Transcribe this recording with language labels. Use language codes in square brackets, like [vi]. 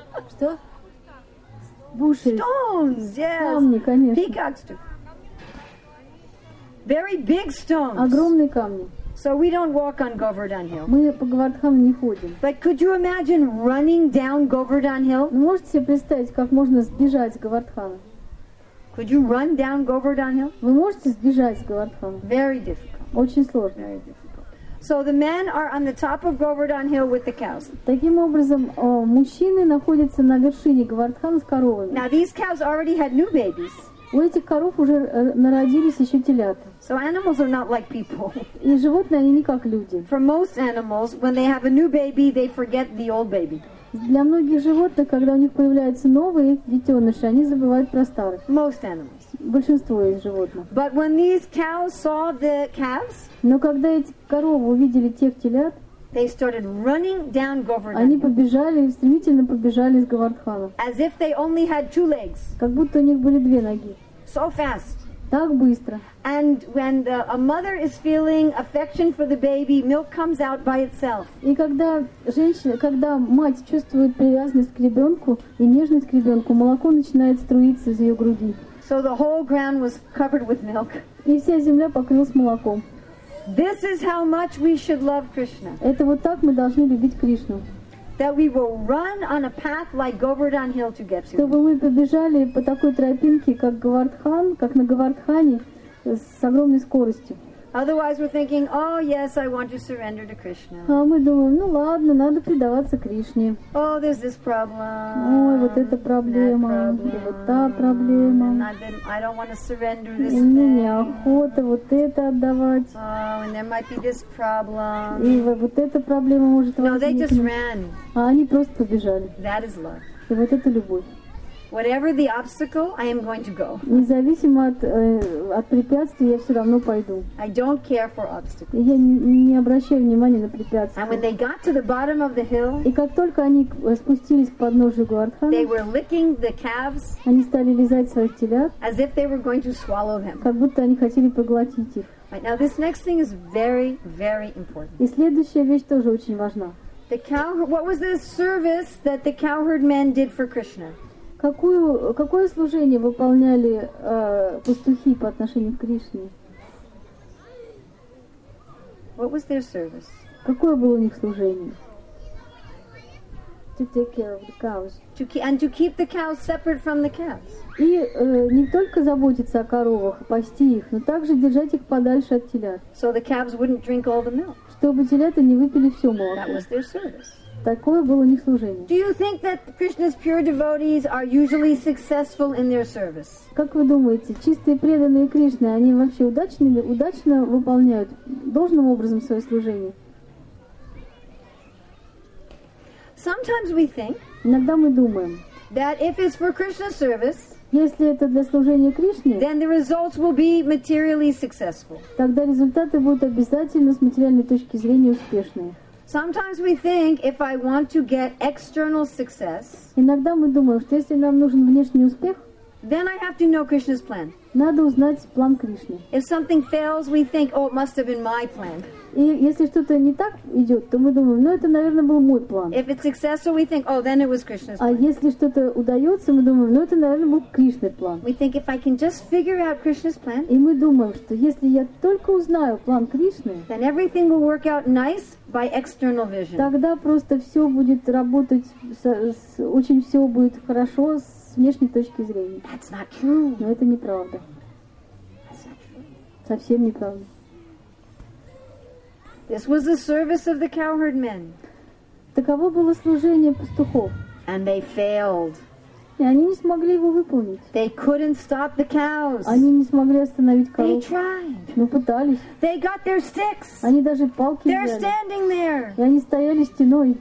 [ru] Что? [en] Bushes. Stones, yes. [ru] Камни, конечно. [en] Peacocks too. Very big stones. [ru] Огромные камни. [en] So we don't walk on Govardhan Hill. [ru] Мы по Говардхану не ходим. [en] But could you imagine running down Govardhan Hill? [ru] Можете себе представить, как можно сбежать с Говардхана? [en] Could you run down Govardhan Hill? [ru] Вы можете сбежать с Говардхана? [en] Very difficult. [ru] Очень сложно. [en] Very difficult. So the men are on the top of Govardhan Hill with the cows. [ru] Таким образом, мужчины находятся на вершине Говардхана с коровами. [en] Now these cows already had new babies. [ru] У этих коров уже народились еще телята. [en] So animals are not like people. [ru] И животные, они не как люди. [en] For most animals, when they have a new baby, they forget the old baby. [ru] Для многих животных, когда у них появляются новые детеныши, они забывают про старых. [en] Most animals. [ru] Большинство из животных. [en] But when these cows saw the calves, [ru] но когда эти коровы увидели тех телят, [en] they started running down Govardhan. [ru] Они побежали, стремительно побежали с Говардхана. [en] As if they only had two legs. [ru] Как будто у них были две ноги. [en] So fast. [ru] Так быстро. [en] And when a mother is feeling affection for the baby, milk comes out by itself. [ru] И когда женщина, когда мать чувствует привязанность к ребенку и нежность к ребенку, молоко начинает струиться из ее груди. [en] So the whole ground was covered with milk. [ru] И вся земля покрылась молоком. [en] This is how much we should love Krishna. [ru] Это вот так мы должны любить Кришну. [en] That we will run on a path like Govardhan Hill to get to. [ru] Чтобы мы побежали по такой тропинке, как Говардхан, как на Говардхане, с огромной скоростью. [en] Otherwise, we're thinking, oh, yes, I want to surrender to Krishna. [ru] А мы думаем, ну ладно, надо предаваться Кришне. [en] Oh, there's this problem. [ru] Ой, вот эта проблема. И вот та проблема. [en] I don't want to surrender this thing. [ru] Мне неохота вот это отдавать. [en] Oh, and there might be this problem. [ru] И вот эта проблема может возникнуть. [en] No, they just ran. [ru] А они просто побежали. [en] That is love. [ru] И вот это любовь. [en] Whatever the obstacle, I am going to go. [ru] Независимо от от препятствий, я все равно пойду. [en] I don't care for obstacles. [ru] Я не обращаю внимания на препятствия. [en] And when they got to the bottom of the hill, [ru] и как только они спустились к подножию Гуардхана, [en] they were licking the calves. [ru] Они стали лизать своих телят. [en] As if they were going to swallow them. [ru] Как будто они хотели проглотить их. [en] Right, now this next thing is very, very important. [ru] И следующая вещь тоже очень важна. [en] The cow. What was the service that the cowherd men did for Krishna? [ru] Какое служение выполняли пастухи по отношению к Кришне? [en] What was their service? [ru] Какое было у них служение? [en] To take care of the cows. And to keep the cows separate from the calves. [ru] И не только заботиться о коровах, пасти их, но также держать их подальше от телят. [en] So the calves wouldn't drink all the milk. [ru] Чтобы телята не выпили все молоко. [en] That was their service. [ru] Такое было у них служение. [en] Do you think that Krishna's pure devotees are usually successful in their service? [ru] Как вы думаете, чистые преданные Кришне, они вообще удачно выполняют должным образом свое служение? [en] Sometimes we think. [ru] Иногда мы думаем. [en] That if it's for Krishna's service. [ru] Если это для служения Кришне, [en] then the results will be materially successful. [ru] Тогда результаты будут обязательно с материальной точки зрения успешные. [en] Sometimes we think if I want to get external success. [ru] Иногда мы думаем, что если нам нужен внешний успех, [en] then I have to know Krishna's plan. [ru] Надо узнать план Кришны. [en] If something fails, we think, oh, it must have been my plan. [ru] И если что-то не так идет, то мы думаем, ну это, наверное, был мой план. [en] If it's successful, we think, oh, then it was Krishna's plan. [ru] А если что-то удается, мы думаем, ну это, наверное, был Кришны план. [en] We think if I can just figure out Krishna's plan. [ru] И мы думаем, что если я только узнаю план Кришны, [en] then everything will work out nice by external vision. [ru] Тогда просто все будет работать, очень все будет хорошо с внешней точки зрения. [en] That's not true. [ru] Но это неправда. Совсем неправда. [en] This was the service of the cowherd men. [ru] Таково было служение пастухов. [en] And they failed. [ru] И они не смогли его выполнить. [en] They couldn't stop the cows. [ru] Они не смогли остановить коров. [en] They tried. [ru] Но пытались. [en] They got their sticks. [ru] Они даже палки взяли. [en] They're standing there. [ru] И они стояли стеной.